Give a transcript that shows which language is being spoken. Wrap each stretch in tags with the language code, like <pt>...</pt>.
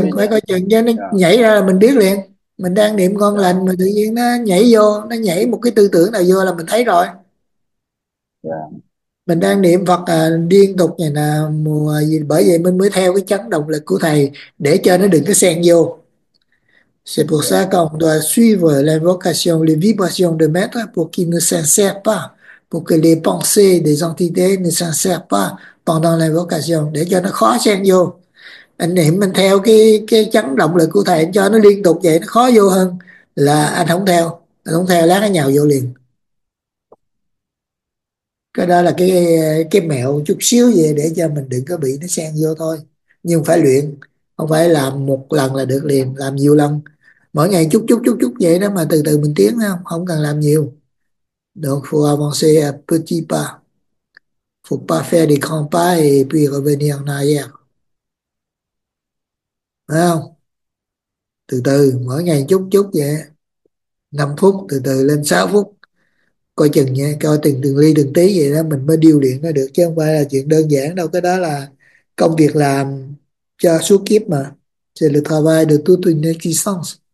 <vi>chừng, phải coi chừng cho nó nhảy ra là mình biết liền, mình đang niệm ngon lành mà tự nhiên nó nhảy vô, nó nhảy một cái tư tưởng nào vô là mình thấy rồi. Mình đang niệm Phật liên tục này nè, bởi vậy mình mới theo cái chấn động lực của thầy để cho nó đừng có xen vô.</vi> <fr>C'est pour ça qu'on doit suivre l'invocation, les vibrations de maître pour qu'il ne s'insère pas, pour que les pensées des entités ne s'insèrent pas pendant l'invocation,</fr> <vi>để cho nó khó xen vô. Anh niệm mình theo cái chấn động lực của thầy, anh cho nó liên tục vậy nó khó vô hơn là anh không theo lát nó nhào vô liền. Cái đó là cái mẹo chút xíu vậy để cho mình đừng có bị nó xen vô thôi, nhưng phải luyện. Không phải làm một lần là được liền, làm nhiều lần. Mỗi ngày chút chút chút chút vậy đó mà từ từ mình tiến, không cần làm nhiều.</vi> <fr>Donc, faut avancer petit pas. Faut pas faire des grands pas et puis revenir en arrière.</fr> <vi>Phải không? Từ từ, mỗi ngày chút chút vậy. 5 phút, từ từ lên 6 phút. Coi chừng nha, coi từng từng ly từng tí vậy đó mình mới điêu luyện nó được, chứ không phải là chuyện đơn giản đâu. Cái đó là công việc làm cho suốt kiếp mà.</vi> <fr>C'est le travail de toute une existence.</fr>